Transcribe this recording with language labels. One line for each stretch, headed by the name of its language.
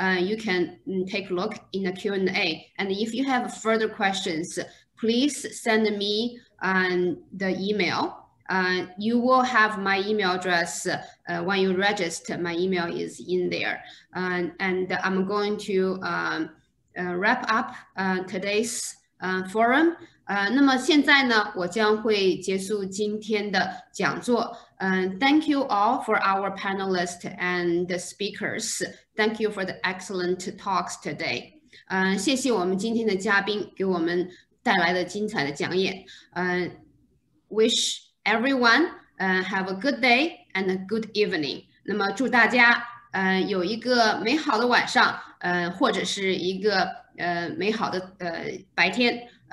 English: You can take a look in the Q&A. And if you have further questions, please send me the email. You will have my email address when you register. My email is in there. And I'm going to wrap up today's forum.
Chinese: 那么现在呢，我将会结束今天的讲座。
English: Thank you all for our panelists and the speakers. Thank you for the excellent talks today.
Chinese: 谢谢我们今天的嘉宾给我们带来的精彩的讲演。
English: Wish everyone have a good day and a good evening.
Chinese: 那么祝大家有一个美好的晚上或者是一个美好的白天。